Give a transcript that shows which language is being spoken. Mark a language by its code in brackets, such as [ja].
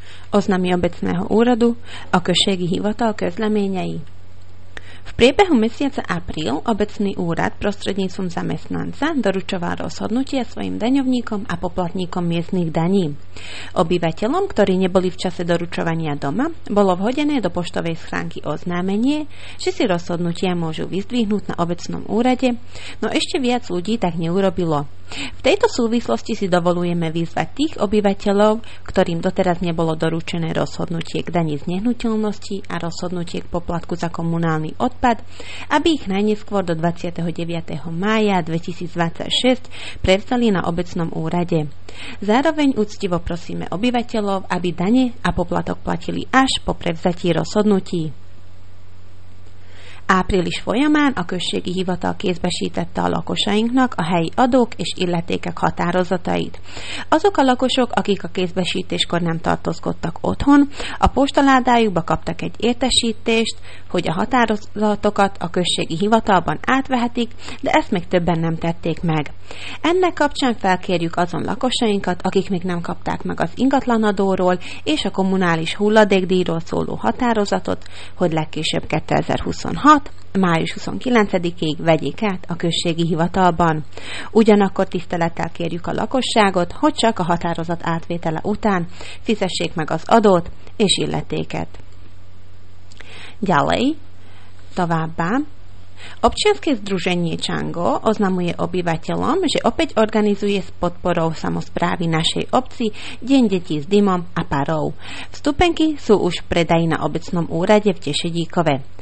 [sk] oznámi obecného úradu a [hu] községi hivatal közleményei. [sk] V priebehu mesiaca apríl obecný úrad prostredníctvom zamestnanca doručoval rozhodnutia svojim daňovníkom a poplatníkom miestnych daní. Obyvateľom, ktorí neboli v čase doručovania doma, bolo vhodené do poštovej schránky oznámenie, že si rozhodnutia môžu vyzdvihnúť na obecnom úrade, no ešte viac ľudí tak neurobilo. V tejto súvislosti si dovolujeme vyzvať tých obyvateľov, ktorým doteraz nebolo doručené rozhodnutie k dani z nehnuteľnosti a rozhodnutie k poplatku za komunálny odpad, aby ich najneskôr do 29. mája 2026 prevzali na obecnom úrade. Zároveň úctivo prosíme obyvateľov, aby dane a poplatok platili až po prevzatí rozhodnutí. [hu] Április folyamán a községi hivatal kézbesítette a lakosainknak a helyi adók és illetékek határozatait. Azok a lakosok, akik a kézbesítéskor nem tartózkodtak otthon, a postaládájukba kaptak egy értesítést, hogy a határozatokat a községi hivatalban átvehetik, de ezt még többen nem tették meg. Ennek kapcsán felkérjük azon lakosainkat, akik még nem kapták meg az ingatlanadóról és a kommunális hulladékdíjról szóló határozatot, hogy legkésőbb 2026 május 29-ig vegyék át a községi hivatalban. Ugyanakkor tisztelettel kérjük a lakosságot, hogy csak a határozat átvétele után fizessék meg az adót és illetéket. [sk] Ďalej, [hu] továbbá, [sk] občianske združenie Čango oznamuje obyvateľom, že opäť organizuje s podporou samosprávy našej obci Deň detí s dymom a parou. Vstupenky sú už v predaji na obecnom úrade v Tešedíkove.